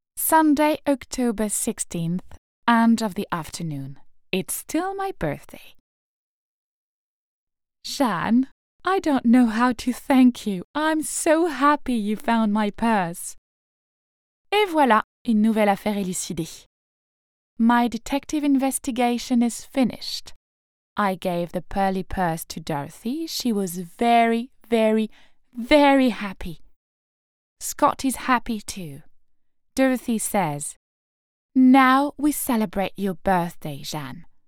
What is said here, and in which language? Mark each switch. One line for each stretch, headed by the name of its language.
English: Sunday, October 16th, end of the afternoon. It's still my birthday. Shan, I don't know how to thank you. I'm so happy you found my purse.
French: Et voilà, une nouvelle affaire élucidée.
English: My detective investigation is finished. I gave the pearly purse to Dorothy. She was very, very, very happy. Scott is happy too. Dorothy says, Now we celebrate your birthday, Jean.